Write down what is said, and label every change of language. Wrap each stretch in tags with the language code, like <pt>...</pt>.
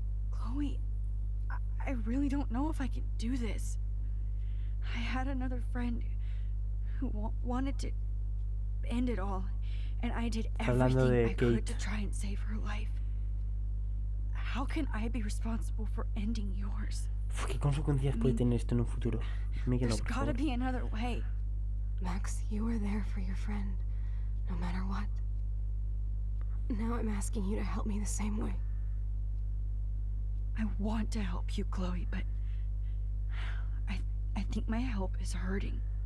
<en>Chloe, I really don't know if I can do this. I had another friend who wanted to end it all, and I did everything I could to try and save her life. How can I be responsible for ending yours?</en> <es>¿Qué consecuencias puede tener esto en un futuro?</es> <en>There's gotta be another way. Max, you were there for your friend, no matter what. Now I'm asking you to help me the same way. I want to help you, Chloe, but I think my help is hurting.</en>